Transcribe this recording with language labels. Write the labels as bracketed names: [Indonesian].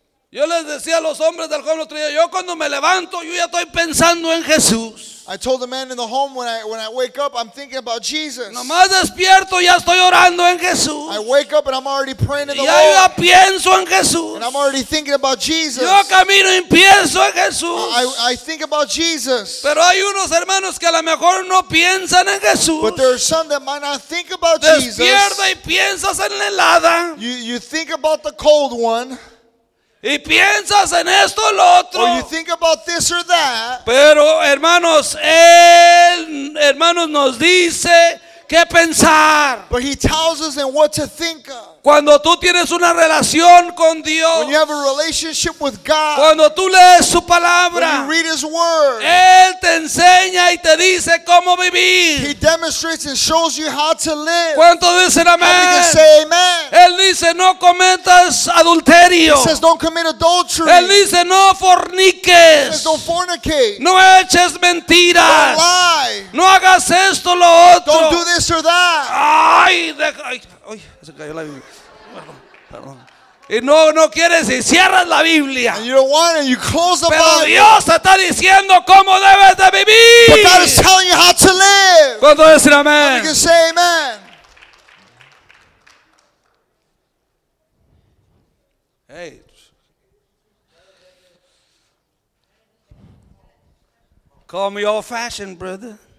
[Spanish] Yo les decía a los hombres del joven otro día, yo cuando me levanto, yo ya estoy pensando en Jesús. [English] I told the man in the home when I wake up, I'm thinking about Jesus. [Spanish] Nomás despierto, ya estoy orando en Jesús. [English] I wake up and I'm already praying in the [Spanish] ya [English] Lord. [Spanish] Ya pienso en Jesús. [English] And I'm already thinking about Jesus. [Spanish] Yo camino y pienso en Jesús. [English] I think about Jesus. [Spanish] Pero hay unos hermanos que a lo mejor no piensan en Jesús. [English] But there are some that might not think about Jesus. [Spanish] Despierta y piensas en la helada. [English] You think about the cold one. [Spanish] Y piensas en esto o lo otro. [English] Or you think about this or that. [Spanish] Pero hermanos, Él, hermanos, nos dice qué pensar. [English] But he tells us in what to think of. [Spanish] Cuando tú tienes una relación con Dios, [English] when you have a relationship with God, [Spanish] cuando tú lees su palabra, [English] when you read his word, [Spanish] él te enseña y te dice cómo vivir. [English] He demonstrates and shows you how to live. [Spanish] ¿Cuánto dicen amén? [English] How we can say amen. [Spanish] Él dice no cometas adulterio. [English] He says don't commit adultery. [Spanish] Él dice no forniques. [English] He says don't fornicate. [Spanish] No eches mentiras. [English] Don't lie. [Spanish] No hagas esto lo otro. [English] Don't do this or that. [Spanish] Ay, deja. Ay, se cayó la Biblia. Perdón. Y no quieres y cierras la Biblia. [English] And you don't want it, you close the [Spanish] Pero [English] Bible. [Spanish] Pero Dios te está diciendo cómo debes de vivir. [English] But God is telling you how to live. [Spanish] ¿Cuánto dicen amén? [English] You can say amen. Hey. Call me old fashioned, brother.